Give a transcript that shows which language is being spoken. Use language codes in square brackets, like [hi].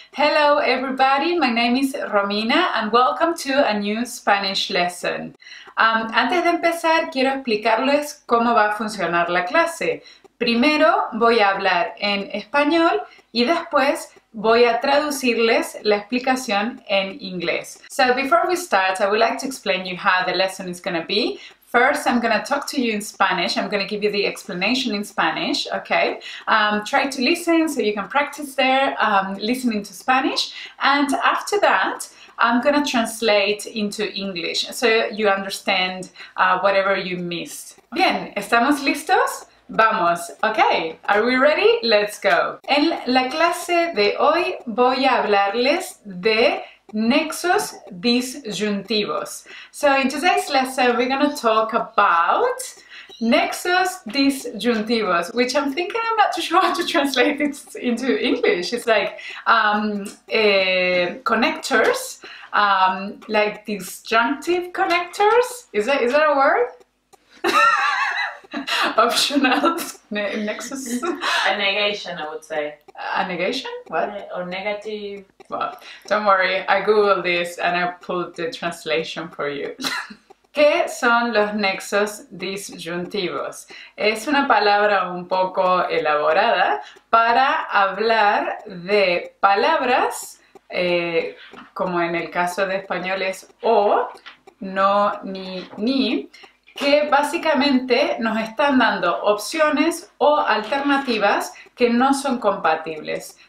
[en] Hello everybody, my name is Romina and welcome to a new Spanish lesson. [es] Antes de empezar, quiero explicarles cómo va a funcionar la clase. Primero voy a hablar en español y después voy a traducirles la explicación en inglés. [en] So before we start, I would like to explain you how the lesson is going to be. First, I'm going to talk to you in Spanish. I'm going to give you the explanation in Spanish, okay? Try to listen so you can practice there, listening to Spanish. And after that, I'm going to translate into English so you understand whatever you missed. [es] Bien, ¿estamos listos? Vamos. [en] Okay, are we ready? Let's go. [es] En la clase de hoy voy a hablarles de nexos disyuntivos. [en] So in today's lesson, we're going to talk about nexos disyuntivos, which I'm thinking I'm not too sure how to translate it into English. It's like connectors, like disjunctive connectors. Is that a word? Optional nexus. A negation, I would say. A negation? What? Or negative. Well, don't worry, I googled this and I pulled the translation for you. [es] ¿Qué son los nexos disyuntivos? Es una palabra un poco elaborada para hablar de palabras, como en el caso de español es o, no, ni, que básicamente nos están dando opciones o alternativas que no son compatibles.